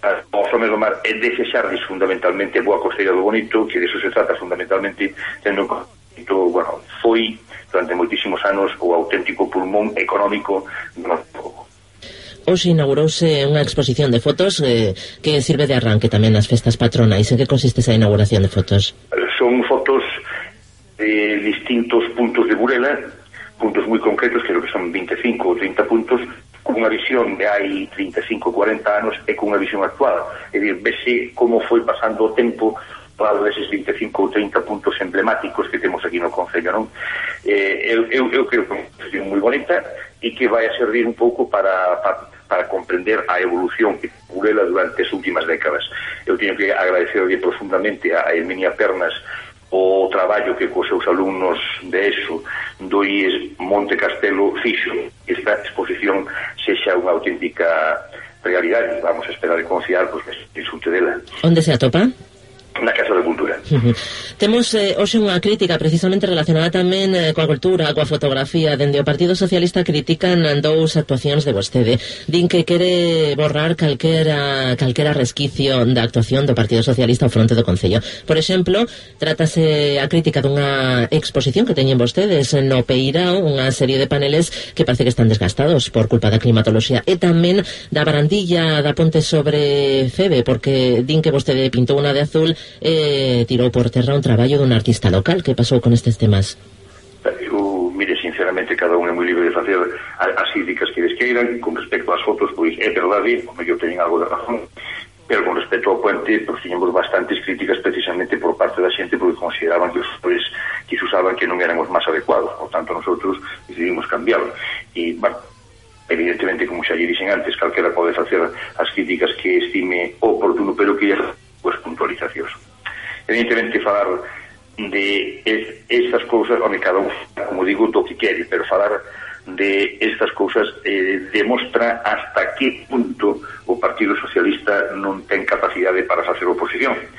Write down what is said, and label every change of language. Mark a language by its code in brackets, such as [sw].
[gl] aos homens do mar, é desexarles fundamentalmente boa costeira do bonito, que de iso se trata fundamentalmente, tendo un concepto, bueno, foi durante moitísimos anos o auténtico pulmón económico do nosso povo. Hoxe inaugurouse unha exposición de fotos que sirve de arranque tamén nas festas patronais. En que consiste esa inauguración de fotos? Son fotos de distintos puntos de Burela, [es] puntos muy concretos, creo que son 25 o 30 puntos, con una visión de [gl] hai 35 o 40 anos e [es] con una visión actual. [gl] Es decir, vese como foi pasando o tempo para deses 25 ou 30 puntos emblemáticos que temos aquí no concello, non? Eu creo que é unha visión moi bonita e que vai a servir un pouco para comprender a evolución que Burela durante as últimas décadas. Eu teño que agradecerle profundamente a Herminia Pernas o traballo que cos seus alumnos de ESO do IES Monte Castelo fixo que esta exposición sexa unha auténtica realidade. Vamos a esperar e confiar pues, que se disfrute dela. Onde se atopa? Na Casa da Cultura. Temos hoxe unha crítica precisamente relacionada tamén coa cultura, coa fotografía. Dende o Partido Socialista critican dous actuacións de vostede. Din que quere borrar calquera resquicio da actuación do Partido Socialista ao fronte do Concello. Por exemplo, trátase a crítica dunha exposición que teñen vostedes no Peirao, unha serie de paneles que parece que están desgastados por culpa da climatoloxía, e tamén da barandilla da Ponte sobre Febe, porque din que vostede pintou unha de azul e tirou por terra un traballo dun artista local. Que pasou con estes temas? Mire, sinceramente, cada un é moi libre de facer as críticas que desqueiran. Con respecto ás fotos, pois é verdade, o mellor teñen algo de razón, pero con respecto ao puente, pois tiñemos bastantes críticas precisamente por parte da xente, porque consideraban que os pois, que se usaban que non éramos máis adecuados. [es] Por tanto, nosotros decidimos cambiarlo. [gl] E, bueno, evidentemente, como xa lle dixen antes, calquera pode facer as críticas que estime oportuno, pero que pues puntualizacións. Evidentemente, falar de estas cousas, home, cada un, como digo, do que quere, pero falar de estas cousas demostra hasta que punto o Partido Socialista non ten capacidade para facer oposición.